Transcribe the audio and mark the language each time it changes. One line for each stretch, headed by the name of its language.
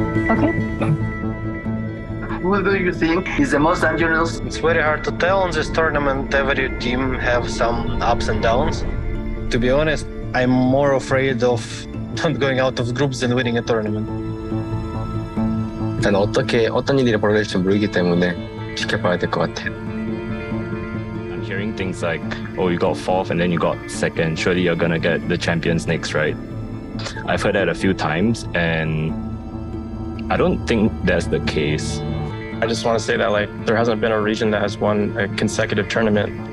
English: Okay. Who do you think is the most dangerous? It's very hard to tell on this tournament. Every team have some ups and downs. To be honest, I'm more afraid of not going out of groups than winning a tournament.
Korean: 난 어떻게 어떤 일이 벌어질지 모르기 때문에 지켜봐야 될 것 같아요.
English: Hearing things like, oh, you got fourth and then you got second, surely you're gonna get the champions next, right? I've heard that a few times, and I don't think that's the case. I just want to say that, like, there hasn't been a region that has won a consecutive tournament.